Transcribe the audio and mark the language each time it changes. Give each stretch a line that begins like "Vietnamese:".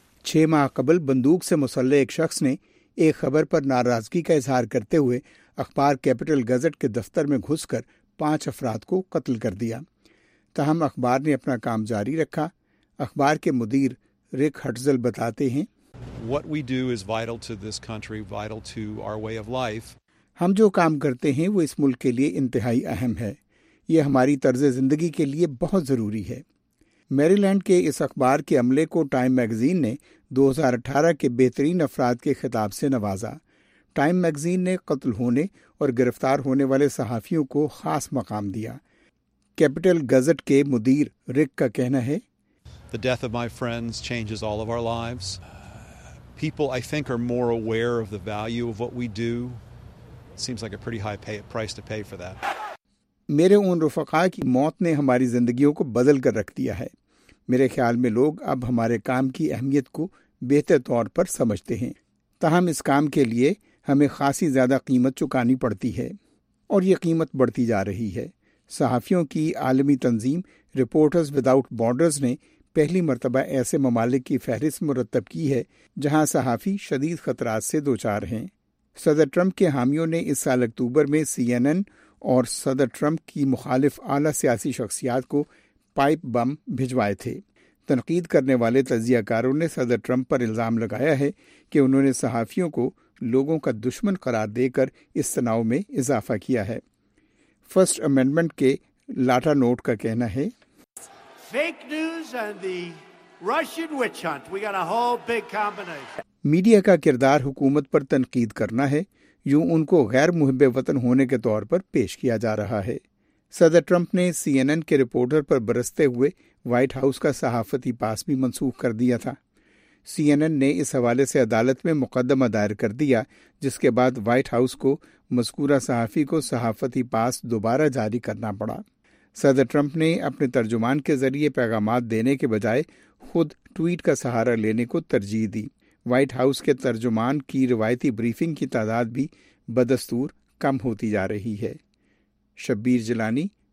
Urdu: 6 ماہ قبل بندوق سے مسلح ایک شخص نے ایک خبر پر ناراضگی کا اظہار کرتے ہوئے اخبار کیپٹل گزٹ کے دفتر میں گھس کر 5 افراد کو قتل کر دیا۔ تاہم اخبار نے اپنا کام جاری رکھا۔ اخبار کے مدیر رک ہٹزل بتاتے ہیں
English: What we do is vital to this country, vital to our way of life.
Urdu: ہم جو کام کرتے ہیں وہ اس ملک کے لیے انتہائی اہم ہے، یہ ہماری طرز زندگی کے لیے بہت ضروری ہے۔ میری لینڈ کے اس اخبار کے عملے کو ٹائم میگزین نے 2018 کے بہترین افراد کے خطاب سے نوازا۔ ٹائم میگزین نے قتل ہونے اور گرفتار ہونے والے صحافیوں کو خاص مقام دیا۔ کیپٹل گزٹ کے مدیر رک کا کہنا ہے
English: The death of my friends changes all of our lives. People, I think, are more aware of the value of what we do. Seems like a pretty high price to pay for that.
Urdu: میرے ان رفقاء کی موت نے ہماری زندگیوں کو بدل کر رکھ دیا ہے۔ میرے خیال میں لوگ اب ہمارے کام کی اہمیت کو بہتر طور پر سمجھتے ہیں۔ تاہم اس کام کے لیے ہمیں خاصی زیادہ قیمت چکانی پڑتی ہے اور یہ قیمت بڑھتی جا رہی ہے۔ صحافیوں کی عالمی تنظیم رپورٹرز وداؤٹ بارڈرز نے پہلی مرتبہ ایسے ممالک کی فہرست مرتب کی ہے جہاں صحافی شدید خطرات سے دوچار ہیں۔ صدر ٹرمپ کے حامیوں نے اس سال اکتوبر میں CNN اور صدر ٹرمپ کی مخالف اعلی سیاسی شخصیات کو پائپ بم بھجوائے تھے۔ تنقید کرنے والے تجزیہ کاروں نے صدر ٹرمپ پر الزام لگایا ہے کہ انہوں نے صحافیوں کو لوگوں کا دشمن قرار دے کر اس تناؤ میں اضافہ کیا ہے۔ فرسٹ امینڈمنٹ کے لاٹا نوٹ کا کہنا ہے
English: Fake news and the Russian witch hunt. We got a whole big combination.
Urdu: Media کا کردار حکومت پر تنقید کرنا ہے، یوں ان کو غیر محب وطن ہونے کے طور پر پیش کیا جا رہا ہے۔ صدر ٹرمپ نے CNN کے رپورٹر پر برستے ہوئے وائٹ ہاؤس کا صحافتی پاس بھی منسوخ کر دیا تھا۔ CNN نے اس حوالے سے عدالت میں مقدمہ دائر کر دیا، جس کے بعد وائٹ ہاؤس کو مذکورہ صحافی کو صحافتی پاس دوبارہ جاری کرنا پڑا۔ صدر ٹرمپ نے اپنے ترجمان کے ذریعے پیغامات دینے کے بجائے خود ٹویٹ کا سہارا لینے کو ترجیح دی۔ وائٹ ہاؤس کے ترجمان کی روایتی بریفنگ کی تعداد بھی بدستور کم ہوتی جا رہی ہے۔ شبیر جلانی،